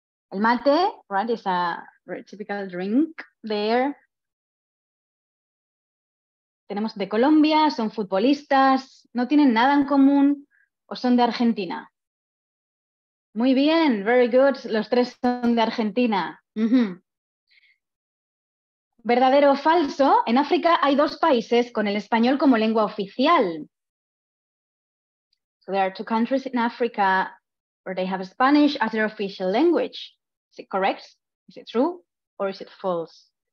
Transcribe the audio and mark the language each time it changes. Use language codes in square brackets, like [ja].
[en] El mate, right, is a typical drink there. [es] Tenemos de Colombia, son futbolistas. ¿No tienen nada en común o son de Argentina? Muy bien, [en] very good. [es] Los tres son de Argentina. Mm-hmm. ¿Verdadero o falso? En África hay dos países con el español como lengua oficial. [en] So there are two countries in Africa where they have Spanish as their official language. Is it correct? Is it true? Or is it false?